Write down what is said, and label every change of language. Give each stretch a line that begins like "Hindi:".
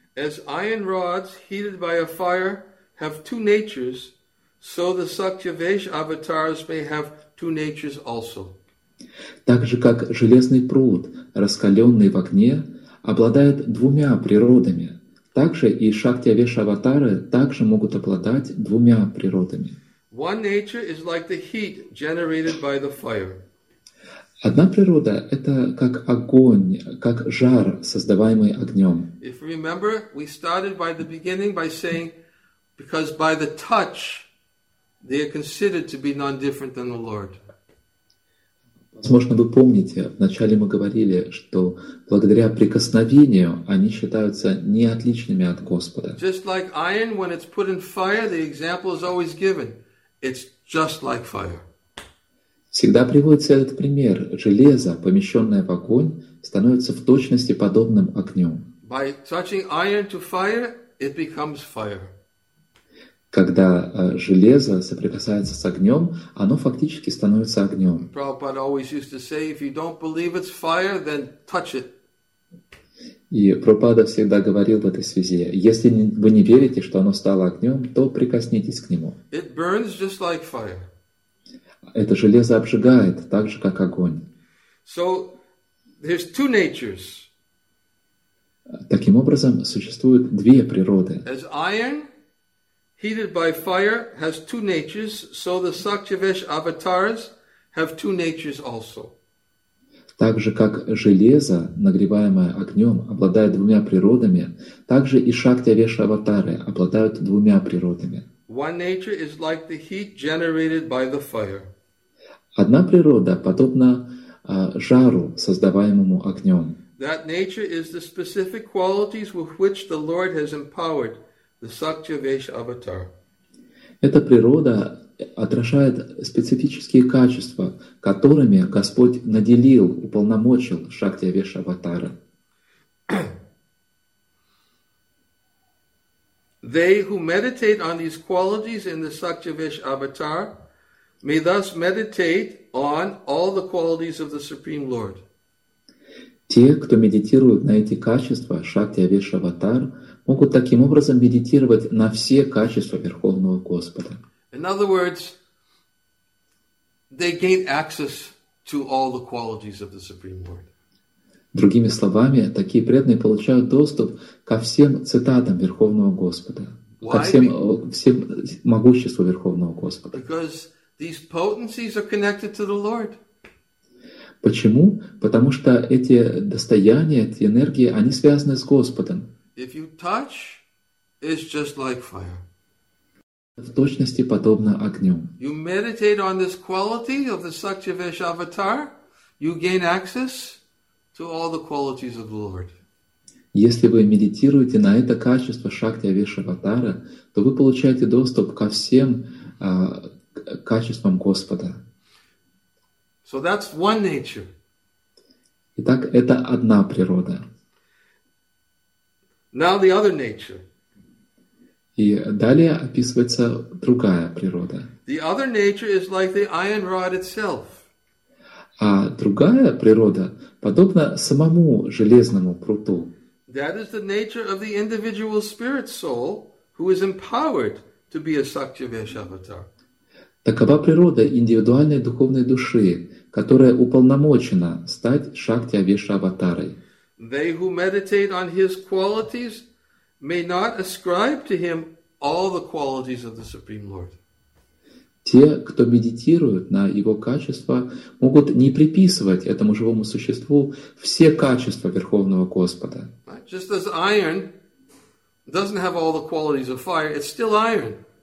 English: As iron rods heated by a fire have two natures, so the Sakshivesh avatars may have two natures also.
Russian: Так же, как железный прут, раскаленный в огне, обладает двумя природами, так же и Шакти Авеша аватары также могут обладать двумя природами.
English: One nature is like the heat generated by the fire.
Russian: Одна природа — это как огонь, как жар, создаваемый огнем.
English: If you remember, we started by the beginning by saying, because by the touch, they are considered to be non-different than the Lord.
Russian: Возможно, вы помните, вначале мы говорили, что благодаря прикосновению они считаются неотличными от Господа.
English: Just like iron, when it's put in fire, the example is always given. It's just like fire.
Russian: Всегда приводится этот пример. Железо, помещенное в огонь, становится в точности подобным огню.
English: By touching iron to fire, it becomes fire.
Russian: когда железо соприкасается с огнем, оно фактически становится огнем.
English: Prabhupada always used to say, if you don't believe it's fire, then touch it.
Russian: И Прабхупада всегда говорил в этой связи, если вы не верите, что оно стало огнем, то прикоснитесь к нему.
English: It burns just like fire.
Russian: Это железо обжигает, так же, как огонь.
English: So, there's two natures.
Russian: Таким образом, существуют две природы.
English: As iron, heated by fire, has two natures, so the Sakyavesh avatars have two natures also.
Russian: Так же, как железо, нагреваемое огнем, обладает двумя природами, так же и шакти-авеша-аватары обладают двумя природами.
English: One nature is like the heat generated by the fire.
Russian: Одна природа подобна жару, создаваемому огнем.
English: That nature is the specific qualities with which the Lord has empowered the Sakyavesha-avatar.
Russian: Эта природа отражает специфические качества, которыми Господь наделил, уполномочил Шакти-Авеша-Аватара.
English: They who meditate on these qualities in the Sakyavesha-Avatar may thus meditate on all the qualities of the Supreme Lord.
Russian: Те, кто медитирует на эти качества Шакти-Авеша-Аватар, могут таким образом медитировать на все качества Верховного Господа.
English: In other words, they gain access to all the qualities of the Supreme Lord.
Russian: Другими словами, такие преданные получают доступ ко всем цитатам Верховного Господа, ко всем могуществу Верховного Господа.
English: Because these potencies are connected to the Lord.
Russian: Почему? Потому что эти достояния, эти энергии, они связаны с Господом.
English: If you touch, it's just like fire.
Russian: В точности подобно огню.
English: You meditate on this quality of the Sakyavesha avatar, you gain access to all the qualities of the Lord.
Russian: Если вы медитируете на это качество Шакти-Авеша аватара, то вы получаете доступ ко всем качествам Господа.
English: So that's one nature.
Russian: Итак, это одна природа.
English: Now the other nature.
Russian: И далее описывается другая природа.
English: The other nature is like the iron rod itself.
Russian: А другая природа подобна самому железному пруту.
English: That is the nature of the individual spirit soul who is empowered to be a Sakyavesha avatar.
Russian: Такова природа индивидуальной духовной души, которая уполномочена стать Шакти-Авеша аватарой.
English: They who meditate on his qualities may not ascribe to him all the qualities of the Supreme Lord.
Russian: Те, кто медитирует на его качества, могут не приписывать этому живому существу все качества Верховного Господа.
English: Just as iron doesn't have all the qualities of fire, it's still iron.